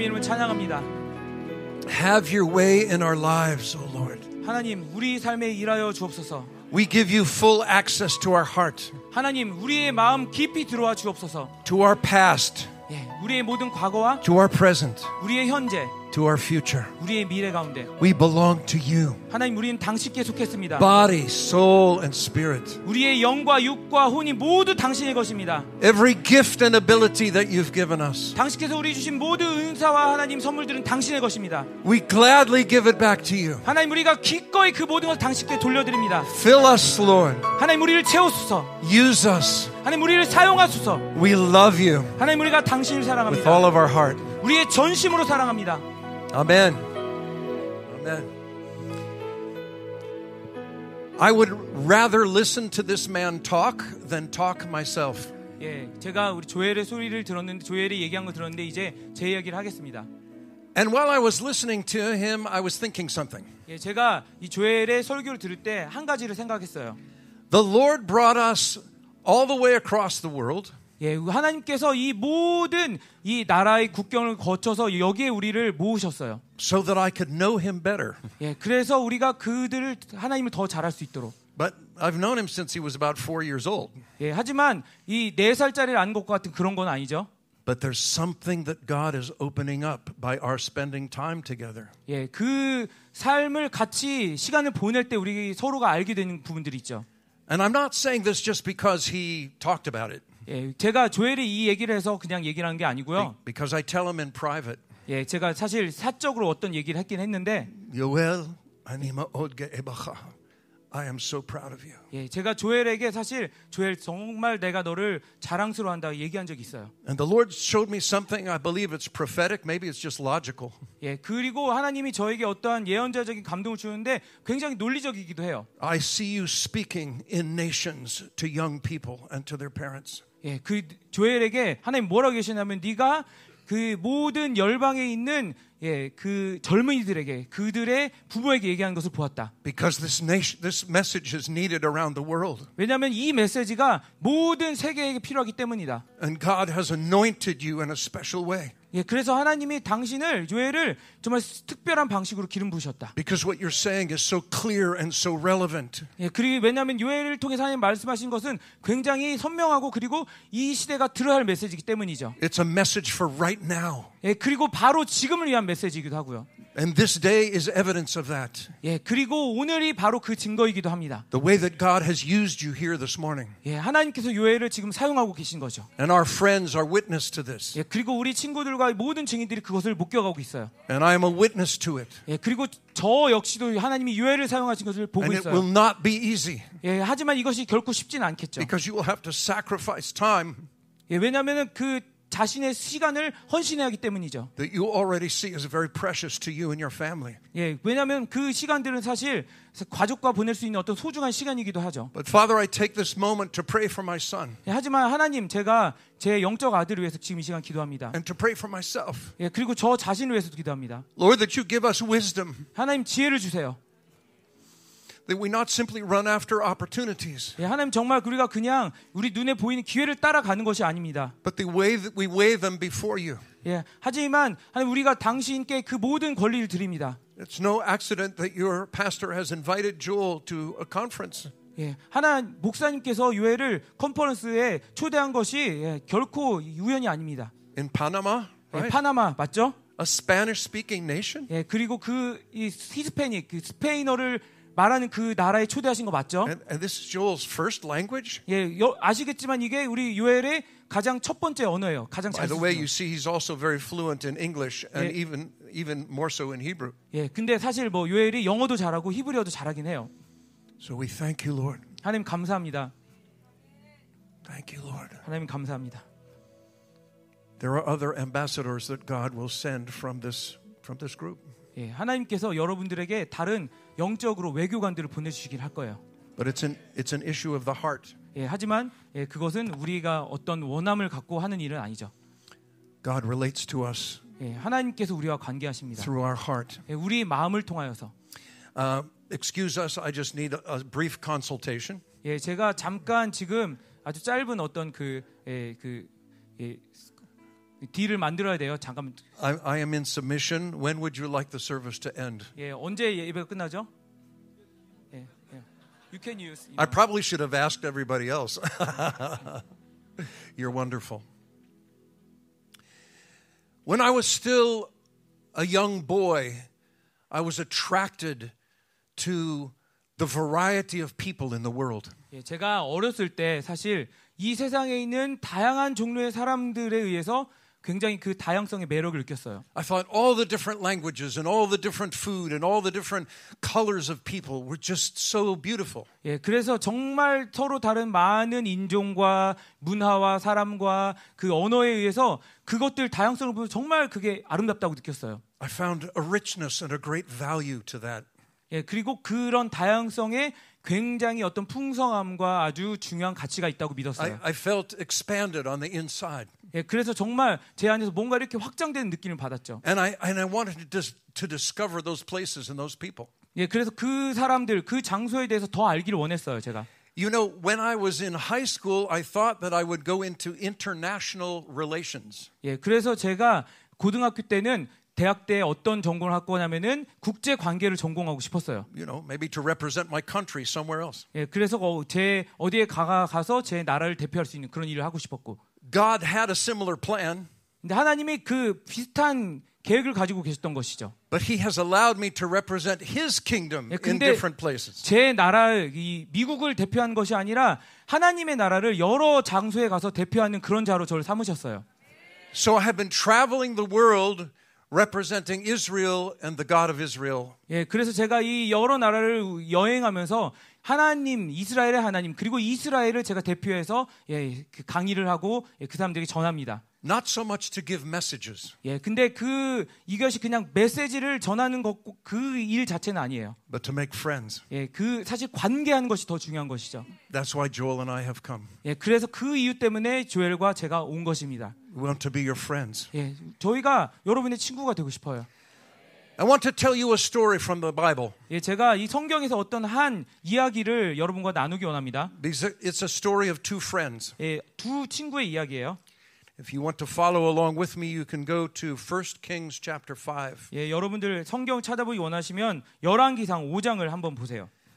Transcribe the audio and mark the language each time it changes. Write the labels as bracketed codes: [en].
[en] Have your way in our lives, O Lord. [ko] 하나님, 우리 삶에 일하여 주옵소서. [en] We give you full access to our heart. [ko] 하나님, 우리의 마음 깊이 들어와 주옵소서. [en] To our past. [ko] 예, 우리의 모든 과거와. [en] To our present. [ko] 우리의 현재. [en] To our future. [ko] 우리의 미래 가운데. [en] We belong to you. [ko] 하나님, 우리는 당신께 속했습니다. [en] Body, soul, and spirit. [ko] 우리의 영과 육과 혼이 모두 당신의 것입니다. [en] Every gift and ability that you've given us. [ko] 당신께서 우리 주신 모든 은사와 하나님 선물들은 당신의 것입니다. [en] We gladly give it back to you. [ko] 하나님, 우리가 기꺼이 그 모든 것을 당신께 돌려드립니다. [en] Fill us, Lord. [ko] 하나님, 우리를 채우소서. [en] Use us. [ko] 하나님, 우리를 사용하소서. [en] We love you. [ko] 하나님, 우리가 당신을 사랑합니다. [en] With all of our heart. [ko] 우리의 전심으로 사랑합니다. [en] Amen. Amen. I would rather listen to this man talk than talk myself. [ko] 예, 제가 우리 조엘의 소리를 들었는데 조엘이 얘기한 거 들었는데 이제 제 이야기를 하겠습니다. [en] And while I was listening to him, I was thinking something. [ko] 예, 제가 이 조엘의 설교를 들을 때 한 가지를 생각했어요. [en] The Lord brought us all the way across the world. [ko] 예, 하나님께서 이 모든 이 나라의 국경을 거쳐서 여기에 우리를 모으셨어요. [en] So that I could know him better. [ko] 예, 그래서 우리가 그들을 하나님을 더 잘 알 수 있도록. [en] But I've known him since he was about 4 years old. [ko] 예, 하지만 이 네 살짜리를 안 것 같은 그런 건 아니죠. [en] But there's something that God is opening up by our spending time together. [ko] 예, 그 삶을 같이 시간을 보낼 때 우리 서로가 알게 되는 부분들이 있죠. [en] And I'm not saying this just because he talked about it. [ko] 예, 제가 조엘이 이 얘기를 해서 그냥 얘기를 한 게 아니고요. [en] Because I tell him in private. [ko] 예, 제가 사실 사적으로 어떤 얘기를 했긴 했는데. [en] Joel, I'm Odge Ebacha. I am so proud of you. [ko] 예, 제가 조엘에게 사실 조엘 정말 내가 너를 자랑스러워한다고 얘기한 적이 있어요. [en] And the Lord showed me something. I believe it's prophetic. Maybe it's just logical. [ko] 예, 그리고 하나님이 저에게 어떠한 예언자적인 감동을 주는데 굉장히 논리적이기도 해요. [en] I see you speaking in nations to young people and to their parents. [ko] 예, 그 조엘에게 하나님 뭐라고 계시냐면 네가 그 모든 열방에 있는 예, 그 젊은이들에게 그들의 부모에게 얘기한 것을 보았다. [en] Because this nation, this message is needed around the world. [ko] 왜냐하면 이 메시지가 모든 세계에게 필요하기 때문이다. [en] And God has anointed you in a special way. [ko] 예, 그래서 하나님이 당신을 조엘을 정말 특별한 방식으로 기름 부으셨다. [en] Because what you're saying is so clear and so relevant. [ko] 예, 그리고 왜냐하면 조엘을 통해 하나님 말씀하신 것은 굉장히 선명하고 그리고 이 시대가 들어야 할 메시지이기 때문이죠. [en] It's a message for right now. [ko] 예, 그리고 바로 지금을 위한 메시지이기도 하고요. [en] And this day is evidence of that. [ko] 예, 그리고 오늘이 바로 그 증거이기도 합니다. [en] The way that God has used you here this morning. [ko] 예, 하나님께서 요엘을 지금 사용하고 계신 거죠. [en] And our friends are witness to this. [ko] 예, 그리고 우리 친구들과 모든 증인들이 그것을 목격하고 있어요. [en] And I am a witness to it. [ko] 예, 그리고 저 역시도 하나님이 요엘을 사용하신 것을 보고 [en] And [ko] 있어요. [en] It will not be easy. [ko] 예, 하지만 이것이 결코 쉽진 않겠죠. [en] Because you will have to sacrifice time. [ko] 예, 왜냐면은 그 자신의 시간을 헌신해야 하기 때문이죠. [en] That you already see is very precious to you and your family. [ko] 예, 왜냐면 그 시간들은 사실 가족과 보낼 수 있는 어떤 소중한 시간이기도 하죠. [en] But Father, I take this moment to pray for my son. [ko] 예, 하지만 하나님, 제가 제 영적 아들을 위해서 지금 이 시간 기도합니다. [en] And to pray for myself. [ko] 예, 그리고 저 자신을 위해서도 기도합니다. [en] Lord, that you give us wisdom. [ko] 하나님 지혜를 주세요. [en] That we not simply run after opportunities. [ko] 예, 하나님 정말 우리가 그냥 우리 눈에 보이는 기회를 따라가는 것이 아닙니다. [en] But the way that we weigh them before you. [ko] 예, 하지만 하나님 우리가 당신께 그 모든 권리를 드립니다. [en] It's no accident that your pastor has invited Joel to a conference. [ko] 예, 하나님 목사님께서 요엘을 컨퍼런스에 초대한 것이 예, 결코 우연이 아닙니다. [en] In Panama, right? [ko] 예, 파나마 맞죠? [en] A Spanish-speaking nation. [ko] 예, 그리고 그 이 히스패닉 그 스페인어를 말하는 그 나라에 초대하신 거 맞죠? [en] And this is Joel's first language? [ko] 예, 여, 아시겠지만 이게 우리 요엘의 가장 첫 번째 언어예요. 가장 [en] By the way, you see he's also very fluent in English and 예. even more so in Hebrew. [ko] 예, 근데 사실 뭐 요엘이 영어도 잘하고 히브리어도 잘하긴 해요. [en] So we thank you, Lord. [ko] 하나님 감사합니다. [en] Thank you, Lord. [ko] 하나님 감사합니다. [en] There are other ambassadors that God will send from this group. [ko] 예, 하나님께서 여러분들에게 다른 영적으로 외교관들을 보내주시길 할 거예요. [en] But it's an issue of the heart. [ko] 예, 하지만 예, 그것은 우리가 어떤 원함을 갖고 하는 일은 아니죠. [en] God relates to us. [ko] 예, 하나님께서 우리와 관계하십니다. [en] Through our heart. [ko] 예, 우리 마음을 통하여서. [en] Excuse us. I just need a brief consultation. [ko] 예, 제가 잠깐 지금 아주 짧은 어떤 그 예, 그 예, 딜을 만들어야 돼요. 잠깐만. [en] I am in submission. When would you like the service to end? [ko] 예, 언제 예배가 끝나죠? 예, 예. [en] You can use. You know. I probably should have asked everybody else. You're wonderful. When I was still a young boy, I was attracted to the variety of people in the world. [ko] 예, 제가 어렸을 때 사실 이 세상에 있는 다양한 종류의 사람들에 의해서 굉장히 그 다양성의 매력을 느꼈어요. [en] I thought all the different languages and all the different food and all the different colors of people were just so beautiful. [ko] 예, 그래서 정말 서로 다른 많은 인종과 문화와 사람과 그 언어에 의해서 그것들 다양성을 보면 정말 그게 아름답다고 느꼈어요. [en] I found a richness and a great value to that. [ko] 예, 그리고 그런 다양성에 굉장히 어떤 풍성함과 아주 중요한 가치가 있다고 믿었어요. [en] I felt expanded on the inside. [ko] 예, 그래서 정말 제 안에서 뭔가 이렇게 확장되는 느낌을 받았죠. [en] And I wanted to discover those places and those people. [ko] 예, 그래서 그 사람들, 그 장소에 대해서 더 알기를 원했어요, 제가. [en] You know, when I was in high school, I thought that I would go into international relations. [ko] 예, 그래서 제가 고등학교 때는 대학 때 어떤 전공을 할 거냐면은 국제 관계를 전공하고 싶었어요. [en] You know, maybe to represent my country somewhere else. [ko] 예, 그래서 제 어디에 가서 제 나라를 대표할 수 있는 그런 일을 하고 싶었고. [en] God had a similar plan. [ko] 근데 하나님이 그 비슷한 계획을 가지고 계셨던 것이죠. [en] But he has allowed me to represent his kingdom [ko] 예, [en] in different places. [ko] 제 나라 이 미국을 대표한 것이 아니라 하나님의 나라를 여러 장소에 가서 대표하는 그런 자로 저를 삼으셨어요. [en] So I have been traveling the world representing Israel and the God of Israel. [ko] 예, 그래서 제가 이 여러 나라를 여행하면서 하나님, 이스라엘의 하나님, 그리고 이스라엘을 제가 대표해서 예, 그 강의를 하고 예, 그 사람들에게 전합니다. [en] Not so much to give messages. [ko] 예, 근데 그 이것이 그냥 메시지를 전하는 것 그 일 자체는 아니에요. [en] But to make friends. [ko] 예, 그 사실 관계하는 것이 더 중요한 것이죠. [en] That's why Joel and I have come. [ko] 예, 그래서 그 이유 때문에 조엘과 제가 온 것입니다. [en] We want to be your friends. [ko] 예, 저희가 여러분의 친구가 되고 싶어요. [en] I want to tell you a story from the Bible. [ko] 예, 제가 이 성경에서 어떤 한 이야기를 여러분과 나누기 원합니다. [en] It's a story of two friends. [ko] 예, 두 친구의 이야기예요. [en] If you want to follow along with me, you can go to 1 Kings chapter 5. [ko] 예, 여러분들 성경 찾아보기 원하시면 열왕기상 5장을 한번 보세요.